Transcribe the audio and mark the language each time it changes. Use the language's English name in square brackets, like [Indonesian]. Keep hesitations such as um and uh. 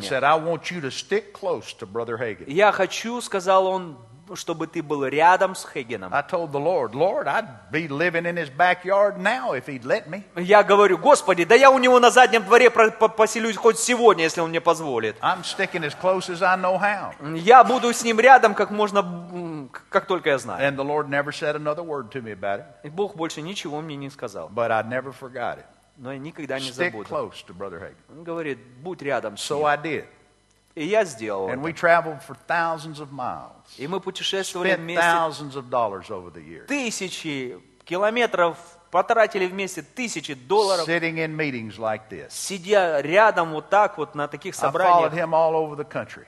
[English] And said, I want you to stick close to brother Hagen. [Russian] Я хочу, сказал он, чтобы ты был рядом с Хегеном. [English] I told the Lord, Lord, I'd be living in his backyard now if he'd let me. [Russian] Я говорю, Господи, да я у него на заднем дворе поселюсь хоть сегодня, если он мне позволит. [English] I'm sticking as close as I know how. [Russian] Я буду с ним рядом как можно как только я знаю. [English] And the Lord never said another word to me about it. [Russian] И Бог больше ничего мне не сказал. [English] But I never forgot it [Russian] но я никогда не забуду. Он говорит, будь рядом с ним. И я сделал And это. И мы путешествовали вместе тысячи километров потратили вместе тысячи долларов, like сидя рядом вот так вот на таких собраниях.